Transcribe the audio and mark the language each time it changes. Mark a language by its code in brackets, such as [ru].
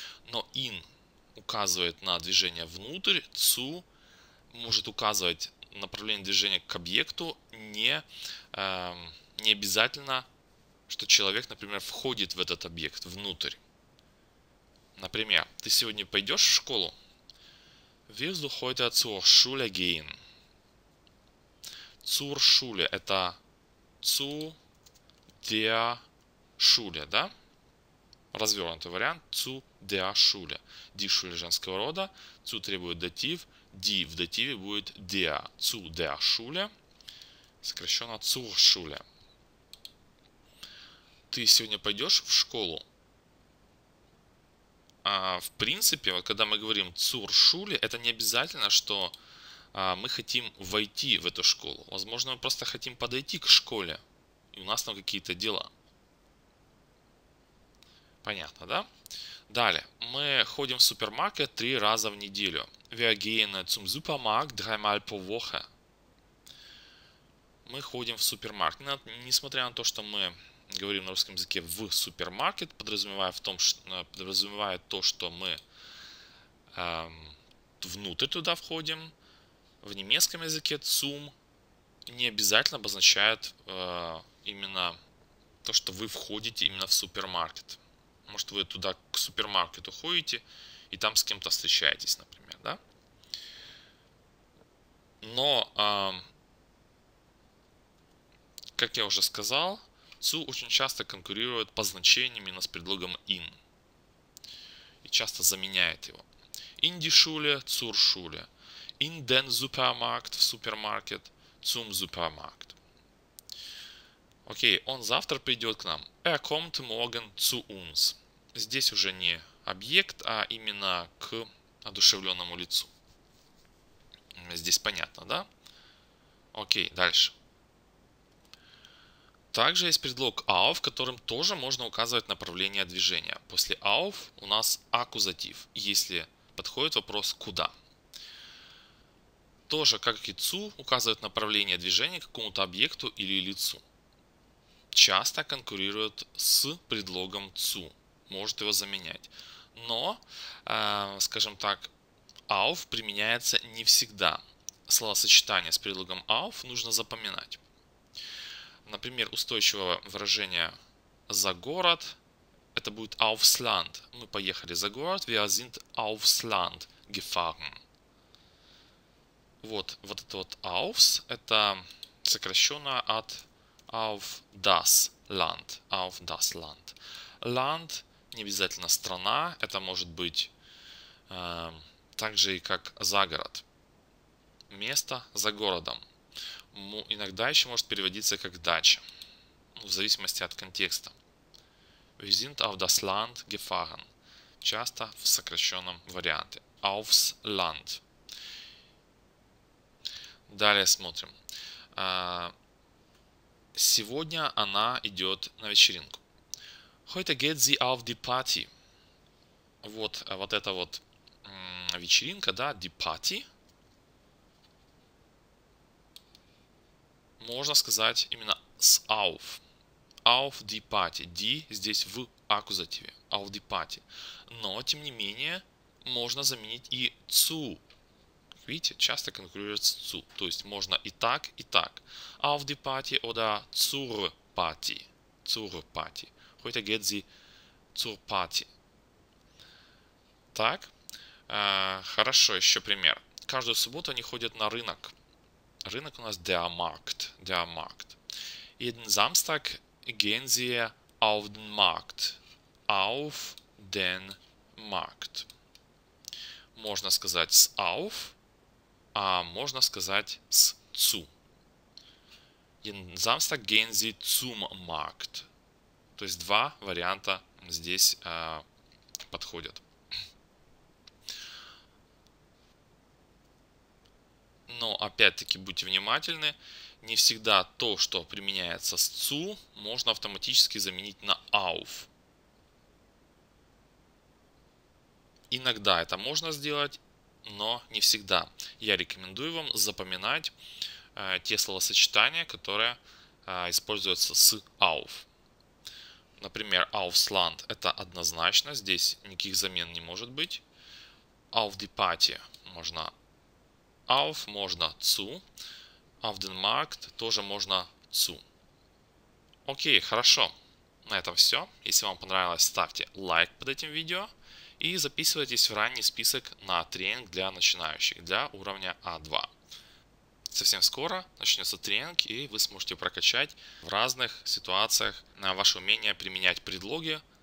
[ru] Но in указывает на движение внутрь, zu может указывать направление движения к объекту, не обязательно, что человек, например, входит в этот объект внутрь. Например, ты сегодня пойдешь в школу? [de] Wirst du heute zur Schule gehen? Zur Schule – [ru] это [de] zu... Der Schule, да? [ru] Развернутый вариант. [de] Zu der Schule. Die Schule [ru] женского рода. Zu требует датив. Die в дативе будет der. [de] Zu der Schule. [ru] Сокращенно [de] zur Schule. [ru] Ты сегодня пойдешь в школу? А, в принципе, вот когда мы говорим [de] zur Schule, [ru] это не обязательно, что мы хотим войти в эту школу. Возможно, мы просто хотим подойти к школе. У нас там какие-то дела. Понятно, да? Далее. Мы ходим в супермаркет 3 раза в неделю. [de] Wir gehen zum Supermarkt dreimal pro Woche. [ru] Мы ходим в супермаркет. Несмотря на то, что мы говорим на русском языке в супермаркет, подразумевая то, что мы внутрь туда входим, в немецком языке zum не обязательно обозначает... Именно то, что вы входите именно в супермаркет. Может, вы туда к супермаркету ходите и там с кем-то встречаетесь, например, да? Но, как я уже сказал, zu очень часто конкурирует по значению именно с предлогом in. И часто заменяет его. [de] In die Schule, zur Schule. In den Supermarkt, [ru] в супермаркет, [de] zum Supermarkt. [ru] Окей, он завтра придет к нам. [de] Er kommt morgen zu uns. [ru] Здесь уже не объект, а именно к одушевленному лицу. Здесь понятно, да? Окей, дальше. Также есть предлог auf, которым тоже можно указывать направление движения. После auf у нас аккузатив, если подходит вопрос куда. Тоже, как и zu, указывает направление движения к какому-то объекту или лицу. Часто конкурирует с предлогом zu. Может его заменять. Но, скажем так, auf применяется не всегда. Словосочетание с предлогом auf нужно запоминать. Например, устойчивое выражение за город. это будет [de] aufs Land. [ru] Мы поехали за город. [de] Wir sind aufs Land gefahren. [ru] Вот, вот это вот aufs, это сокращенно от [de] auf das Land. Auf das Land. [ru] Land не обязательно страна, это может быть так же и как за город. Место за городом. Иногда еще может переводиться как дача, в зависимости от контекста. [de] Wir sind auf das Land gefahren. [ru] Часто в сокращенном варианте. [de] Aufs Land. [ru] Далее смотрим. Сегодня она идет на вечеринку. [de] Heute geht sie auf die Party. [ru] Вот, вот это вот вечеринка, да, die Party. Можно сказать именно с auf. [de] Auf die Party. [ru] Die здесь в аккузативе. [de] Auf die Party. [ru] Но, тем не менее, можно заменить и zu. Видите, часто конкурируется zu. То есть, можно и так, и так. [de] Auf die Party oder zur Party. Zur Party. Heute geht sie zur Party. [ru] Так. Хорошо, еще пример. Каждую субботу они ходят на рынок. Рынок у нас [de] der Markt. Der Markt. Jeden Samstag gehen sie auf den Markt. Auf den Markt. [ru] Можно сказать с auf, а можно сказать с zu. [de] Jeden Samstag gehen sie zum Markt. [ru] То есть два варианта здесь подходят. Но опять-таки будьте внимательны. Не всегда то, что применяется с zu, можно автоматически заменить на auf. Иногда это можно сделать, но не всегда. Я рекомендую вам запоминать те словосочетания, которые используются с auf. Например, [de] aufs Land [ru] – это однозначно, здесь никаких замен не может быть. [de] Auf die Party [ru] – можно auf, можно zu. [de] Auf den Markt [ru] тоже можно zu. Окей, хорошо. На этом все. Если вам понравилось, ставьте лайк под этим видео. И записывайтесь в ранний список на тренинг для начинающих, для уровня А2. Совсем скоро начнется тренинг, и вы сможете прокачать в разных ситуациях на ваше умение применять предлоги.